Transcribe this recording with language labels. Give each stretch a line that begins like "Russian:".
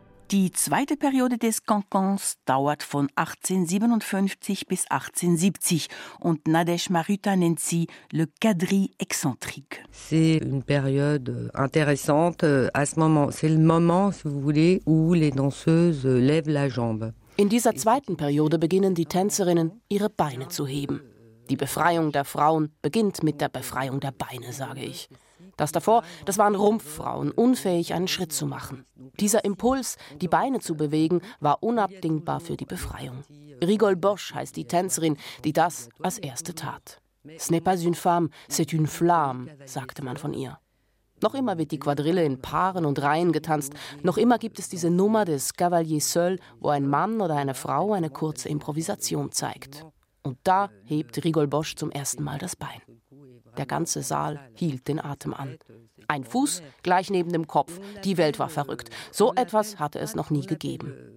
German: Die zweite Periode des Cancans dauert von 1857 bis 1870 und Nadège Maruta nennt sie le quadri excentrique.
French: C'est une période intéressante à ce moment, c'est le moment, si vous voulez, où les danseuses lèvent la jambe.
German: In dieser zweiten Periode beginnen die Tänzerinnen ihre Beine zu heben. Die Befreiung der Frauen beginnt mit der Befreiung der Beine, sage ich. Das davor, das waren Rumpffrauen, unfähig, einen Schritt zu machen. Dieser Impuls, die Beine zu bewegen, war unabdingbar für die Befreiung. Rigole Bosch heißt die Tänzerin, die das als erste tat.
French: Ce n'est pas une femme, c'est une flamme,
German: sagte man von ihr. Noch immer wird die Quadrille in Paaren und Reihen getanzt. Noch immer gibt es diese Nummer des Cavalier Seul, wo ein Mann oder eine Frau eine kurze Improvisation zeigt. Und da hebt Rigole Bosch zum ersten Mal das Bein. Der ganze Saal hielt den Atem an. Ein Fuß gleich neben dem Kopf. Die Welt war verrückt. So etwas hatte es noch nie gegeben.